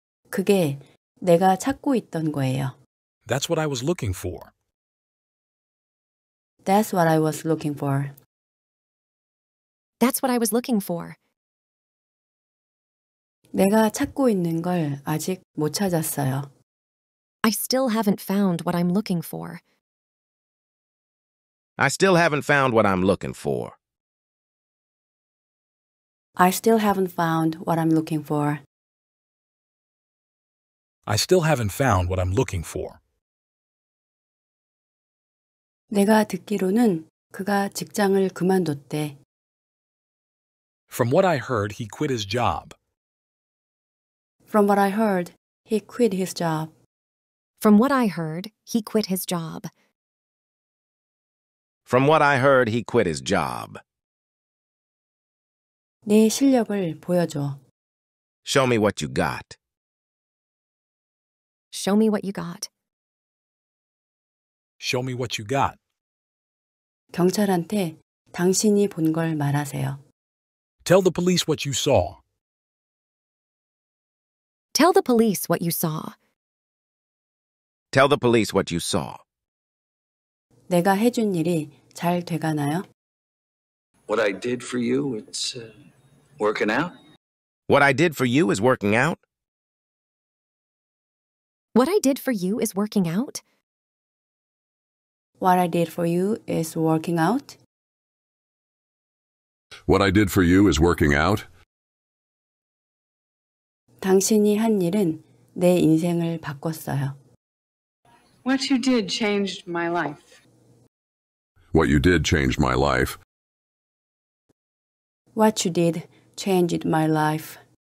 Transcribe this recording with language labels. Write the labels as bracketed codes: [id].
[ko] 그게 내가 찾고 있던 거예요. [en] That's what I was looking for. That's what I was looking for. That's what I was looking for. [ko] 내가 찾고 있는 걸 아직 못 찾았어요. [en] I still haven't found what I'm looking for. I still haven't found what I'm looking for. I still haven't found what I'm looking for. I still haven't found what I'm looking for. [ko] 내가 듣기로는 그가 직장을 그만뒀대. [en] From what I heard, he quit his job. From what I heard, he quit his job. From what I heard, he quit his job. From what I heard, he quit his job. [ko] 내 실력을 보여줘. [en] Show me what you got. Show me what you got. Show me what you got. [ko] 경찰한테 당신이 본 걸 말하세요. [en] Tell the police what you saw. Tell the police what you saw. Tell the police what you saw. [ko] 내가 해준 일이 잘 돼가나요? [en] What I did for you, it's working out. What I did for you is working out. What I did for you is working out. What I did for you is working out. What I did for you is working out. [ko] 당신이 한 일은 내 인생을 바꿨어요. [en] What you did changed my life. What you did changed my life. What you did changed my life.